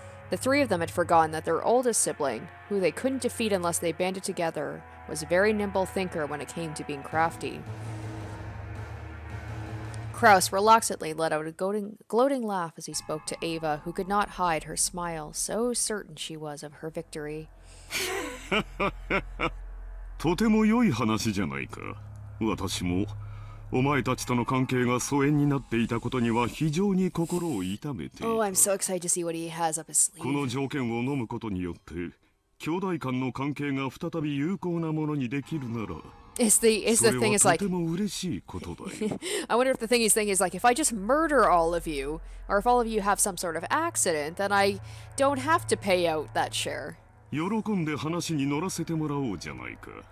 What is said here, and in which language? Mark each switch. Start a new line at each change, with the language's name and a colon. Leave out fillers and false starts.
English: The three of them had forgotten that their oldest sibling, who they couldn't defeat unless they banded together, was a very nimble thinker when it came to being crafty. Kraus reluctantly let out a gloating laugh as he spoke to Ava, who could not hide her smile, so certain she was of her victory.
Japanese: とても良い話じゃないか。私もお前たちとの関係が疎遠になっていたことには非常に心を痛めていた。
English: Oh, I'm so excited to see what he has up his sleeve.
Japanese: この条件を飲むことによって、兄弟間の関係が再び有効なものにできるなら、それはとても嬉しいことだよ。
English: I wonder if the thing he's thinking is like, if I just murder all of you, or if all of you have some sort of accident, then I don't have to pay out that share.
Japanese: 喜んで話に乗らせてもらおうじゃないか。